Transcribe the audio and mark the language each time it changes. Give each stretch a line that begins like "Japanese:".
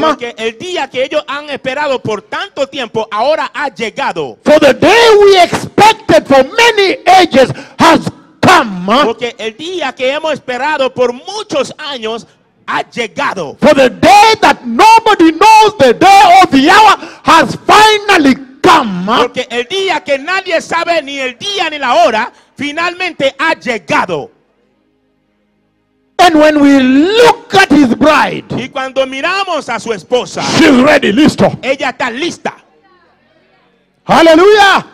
Spanish: Porque el día que ellos han esperado por tanto tiempo ahora ha llegado.
English: For the day we expected for many ages has come.
Spanish: Porque el día que hemos esperado por muchos años ha llegado.
English: For the day that nobody knows, the day or the hour has finally come.
Spanish: Porque el día que nadie sabe ni el día ni la hora finalmente ha llegado.
English: And when we look at his bride,
Spanish: y cuando miramos a su esposa,
English: she's ready,
Spanish: listo. Ella está lista.
English: Hallelujah.